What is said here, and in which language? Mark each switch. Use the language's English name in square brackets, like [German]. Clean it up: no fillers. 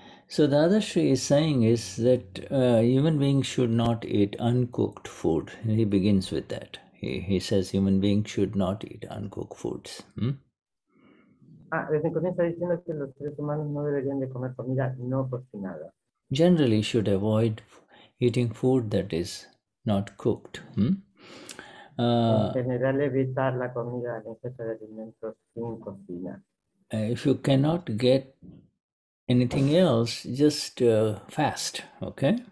[English] So Dadashri is saying is that human beings should not eat uncooked food. He begins with that. He says human beings should not eat uncooked foods. [Spanish] Desde comienza diciendo que los seres humanos no deberían de comer comida no cocinada. [English] Generally, should avoid eating food that is not cooked. [Spanish] En general, evitar la comida, la ingesta de alimentos sin cocina. [English] If you cannot get anything else, just fast, okay?